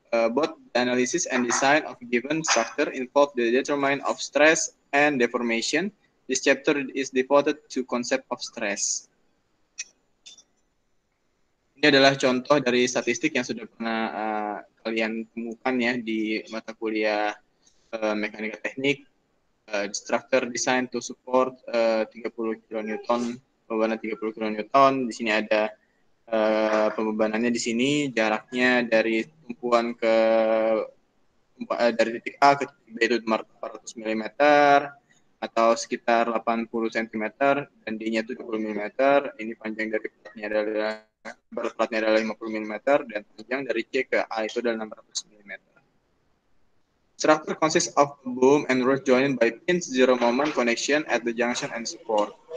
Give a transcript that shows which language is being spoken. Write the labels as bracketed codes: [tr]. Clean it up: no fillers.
[en] Both analysis and design of given structure involve the determine of stress and deformation. This chapter is devoted to concept of stress. [id] Ini adalah contoh dari statistik yang sudah pernah kalian temukan ya di mata kuliah mekanika teknik, [en] structure design to support 30 kN, [id] pembebanan 30 kN. Di sini ada pembebanannya di sini, jaraknya dari tumpuan ke dari titik A ke titik B itu 400 mm. Atau sekitar 80 cm dan D-nya 70 mm. Ini panjang dari platnya adalah 50 mm dan panjang dari C ke A itu adalah 600 mm. [en] Structure consists of boom and rod joined by pins zero moment connection at the junction and support.